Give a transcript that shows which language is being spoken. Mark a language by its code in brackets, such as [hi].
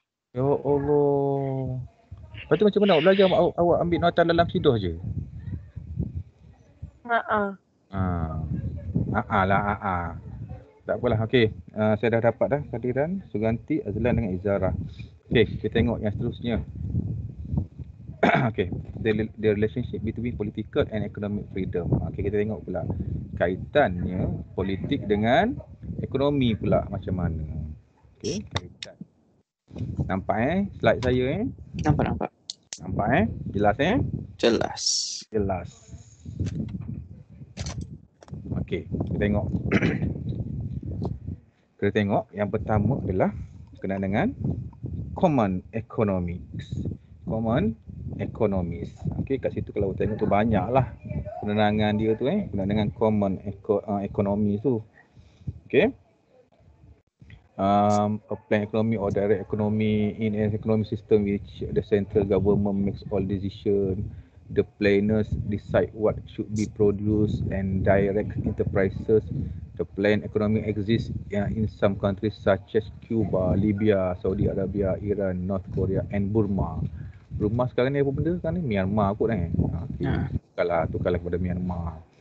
[ms] Ya Allah. Lepas tu macam mana awak belajar? Awak ambil nota dalam sidur je? Tak apalah. Okey. Saya dah dapat dah kehadiran Suganti, Azlan dengan Izara. Okey, kita tengok yang seterusnya. [en] Okey, the relationship between political and economic freedom. [ms] Okey, kita tengok pula kaitannya politik dengan ekonomi pula macam mana. Okey, kaitan. Nampak eh slide saya eh? Nampak. Nampak eh? Jelas eh? Jelas. Okey, kita tengok. Kita tengok yang pertama adalah berkenaan dengan common economics. Okey, kat situ kalau kita tengok tu banyaklah penerangan dia tu eh, berkenaan dengan common economy tu. Okey. [en] A plan economy or direct economy in an economic system which the central government makes all decision. The planners decide what should be produced and direct enterprises. The planned economy exists in some countries such as Cuba, Libya, Saudi Arabia, Iran, North Korea and Burma. [ms] Burma sekarang ni apa benda sekarang ni? Myanmar kot kan? Okay. Tukarlah kepada Myanmar.